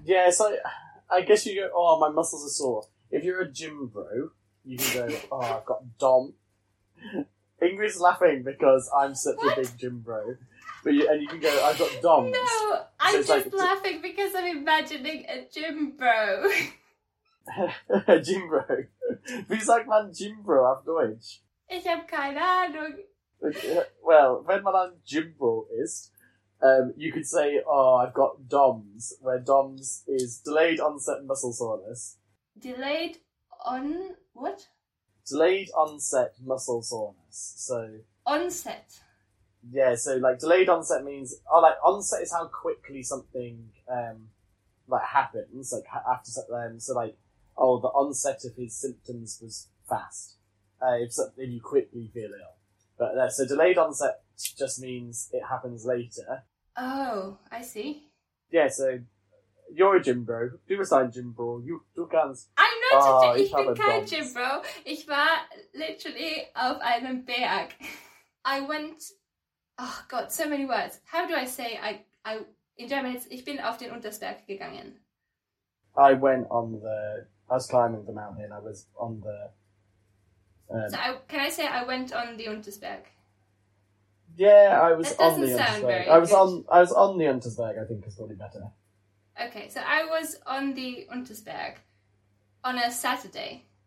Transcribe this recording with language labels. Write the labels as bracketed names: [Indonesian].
[English] Yeah, so I guess you go, oh, my muscles are sore. If you're a gym bro, you can go, oh, I've got dom. Ingrid's laughing because I'm such a big gym bro. And you can go, I've got doms. No, so I'm just like, laughing because I'm imagining a gym bro. A gym bro. [German] Wie sagt man gym bro auf Deutsch? Ich habe keine Ahnung. [English] Well, [German] wenn man ein gym bro ist, [English] you could say, oh, I've got doms, where doms is delayed onset muscle soreness. Delayed on what? Delayed onset muscle soreness. So onset. Yeah, so, like, delayed onset means... Oh, like, onset is how quickly something, like, happens, like, after something. So, like, oh, the onset of his symptoms was fast. If you quickly feel ill. But, so delayed onset just means it happens later. Oh, I see. Yeah, so, you're a gym bro. [German] Du bist ein gym bro. Du kannst... [English] I'm not oh, a gym... [German] Ich bin kein gym bro. Ich war literally auf einem Berg. [English] I went... Oh God, so many words. How do I say I in German it's [German] ich bin auf den Untersberg gegangen. [English] I went on the I was climbing the mountain, I was on the can I say I went on the Untersberg? Yeah, I was on the Untersberg. I was on the Untersberg, I think is probably better. Okay, so I was on the Untersberg on a Saturday.